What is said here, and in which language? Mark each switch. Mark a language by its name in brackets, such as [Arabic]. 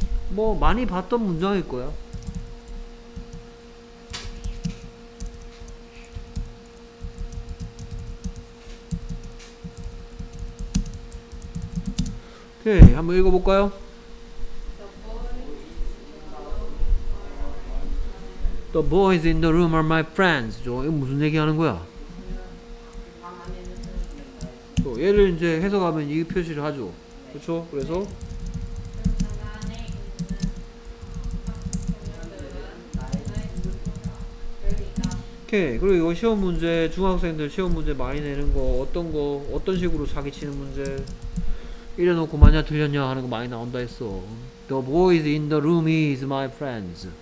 [Korean] 뭐 많이 봤던 문장일 거야. 오케이 한번 읽어볼까요? [English] 'The boys in the room are my friends.' [Korean] 저 이거 무슨 얘기하는 거야? 저 얘를 이제 해석하면 이 표시를 하죠. 그렇죠? 그래서 오케이. 그리고 이거 시험 문제 중학생들 시험 문제 많이 내는 거 어떤 식으로 사기치는 문제 이래놓고 만약 틀렸냐 하는 거 많이 나온다 했어. [English] The boys in the room is my friends.